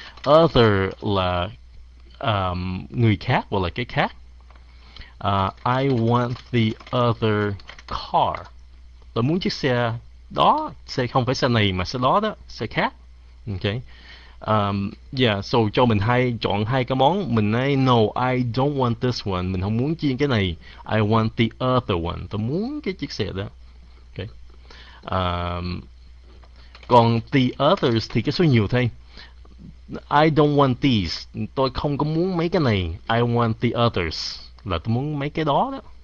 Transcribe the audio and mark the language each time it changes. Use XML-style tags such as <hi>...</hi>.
<vi>Other là người khác hoặc là cái khác.</vi> <en>I want the other car.</en> <vi>Tôi muốn chiếc xe đó, xe không phải xe này mà xe đó đó, xe khác.</vi> <en>Ok. Yeah, so</en> <vi>cho mình hai chọn hai cái món. Mình nói</vi> <en>no, I don't want this one.</en> <vi>Mình không muốn chiên cái này.</vi> <en>I want the other one.</en> <vi>Tôi muốn cái chiếc xe đó.</vi> <en>Okay.</en> <vi>Còn the others thì cái số nhiều thôi.</vi> <en>I don't want these.</en> <vi>Tôi không có muốn mấy cái này.</vi> <en>I want the others.</en> <vi>Là tôi muốn mấy cái đó đó.</vi>